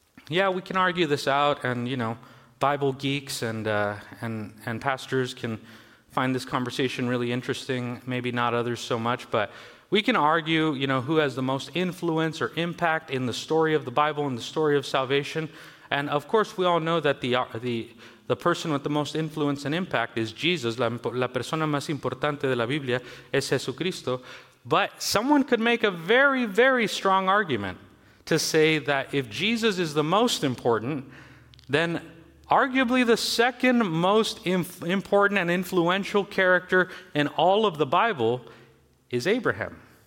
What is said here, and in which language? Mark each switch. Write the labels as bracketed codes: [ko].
[en] Yeah, we can argue this out, and you know, Bible geeks and pastors can find this conversation really interesting, maybe not others so much, but we can argue, you know, who has the most influence or impact in the story of the Bible and the story of salvation. And of course, we all know that the person with the most influence and impact is Jesus. [es] La persona más importante de la Biblia es Jesucristo. [en] But someone could make a very, very strong argument to say that if Jesus is the most important, then arguably the second most important and influential character in all of the Bible is Abraham.